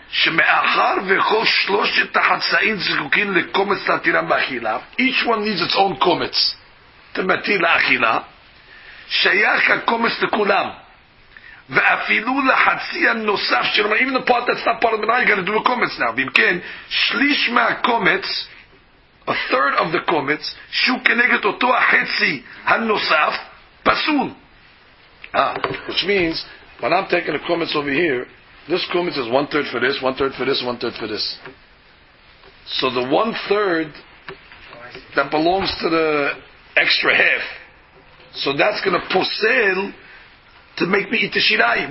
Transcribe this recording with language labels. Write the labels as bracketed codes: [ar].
[he] שמאחר וכל שלושת החצאים זקוקים לקומץ להתירם באכילה. [en] Each one needs its own קומץ. [he] אתה מתיר לאכילה. שייך הקומץ לכולם. ואפילו לחצי הנוסף של... [en] Even the part that's not part of the night, you gotta do a קומץ now. [he] ואם כן, שליש מהקומץ, [en] a third of the [he] קומץ, שהוא כנגד אותו החצי הנוסף, פסול. [en] Which means, when I'm taking the קומץ over here, this kumis is one third for this, one third for this, one third for this. So the one third that belongs to the extra half, So that's going to posel to make me eat the shirai.